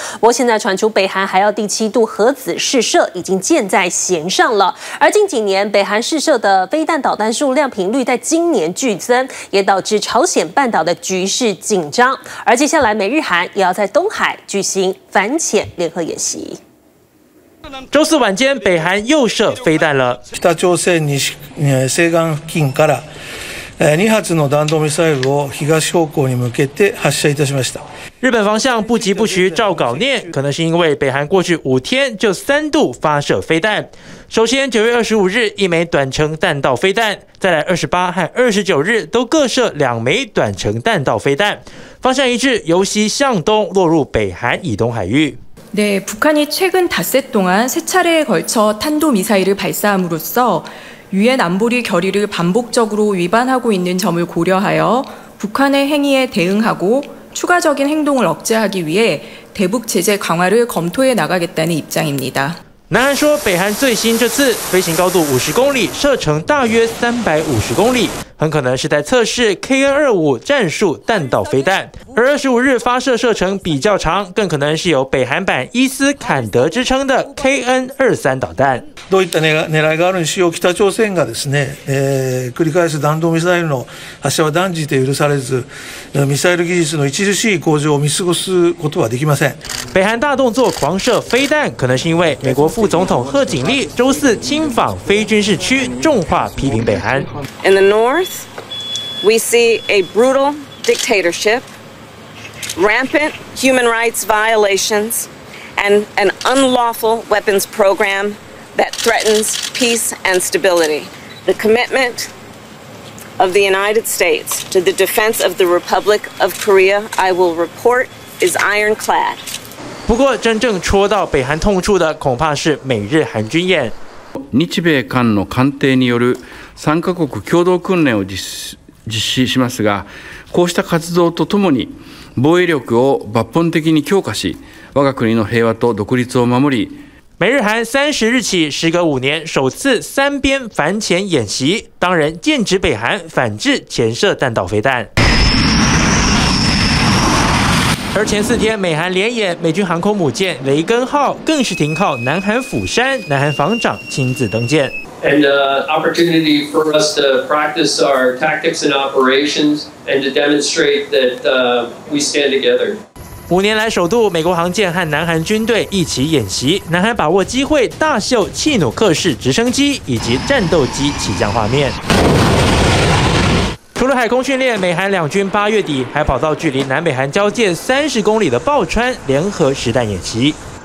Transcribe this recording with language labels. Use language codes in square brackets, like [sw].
[zh] 不过现在传出北韩还要第七度核子试射已经箭在弦上了，而近几年北韩试射的飞弹导弹数量频率在今年剧增，也导致朝鲜半岛的局势紧张，而接下来美日韩也要在东海举行反潜联合演习。周四晚间，北韩又射飞弹了。 [ja] 北朝鮮西岸付近から2発の弾道ミサイルを東方向に向けて発射いたしました。 [zh] 日本方向不急不徐照稿念，可能是因为北韩过去五天就三度发射飞弹。首先9月25日一枚短程弹道飞弹，再来28和29日都各射两枚短程弹道飞弹，方向一致，由西向东落入北韩以东海域。 [ko] 네북한이최근닷새동안세차례에걸쳐탄도미사일을발사함으로써유엔안보리결의를반복적으로위반하고있는점을고려하여북한의행위에대응하고추가적인행동을억제하기위해대북제재강화를검토해나가겠다는입장입니다 [zh] 南韩说，北韩最新这次飞行高度50公里，射程大约350公里，很可能是在测试 KN-25 战术弹道飞弹。而25日发射射程比较长，更可能是有北韩版伊斯坎德之称的 KN-23 导弹。 [ja] どういった狙いがあるにしよう、北朝鮮がですね、繰り返す弾道ミサイルの発射は断じて許されず、ミサイル技術の著しい向上を見過ごすことはできません。 [zh] 北韩大动作狂射飞弹，可能是因为美国副总统贺锦丽周四亲访非军事区，重话批评北韩。 [en] In the north, we see a brutal dictatorship, rampant human rights violations, and an unlawful weapons program that threatens peace and stability. The commitment of the United States to the defense of the Republic of Korea, I will report, is ironclad. [zh] 不过真正戳到北韩痛处的恐怕是美日韩军演。 [ja] 日米韓の艦艇による三カ国共同訓練を実施しますが、こうした活動とともに防衛力を抜本的に強化し、我が国の平和と独立を守り。 [zh] 美日韩30日起，时隔5年，首次三边反潜演习，当然剑指北韩反制潜射弹道飞弹。而前4天美韩联演，美军航空母舰雷根号更是停靠南韩釜山，南韩防长亲自登舰。 [en] And opportunity for us to practice our tactics and operations and to demonstrate that we stand together. [zh] 5年来首度美国航舰和南韩军队一起演习，南韩把握机会大秀气努克式直升机以及战斗机起降画面。除了海空训练，美韩两军8月底还跑到距离南北韩交界30公里的鲍川联合实弹演习。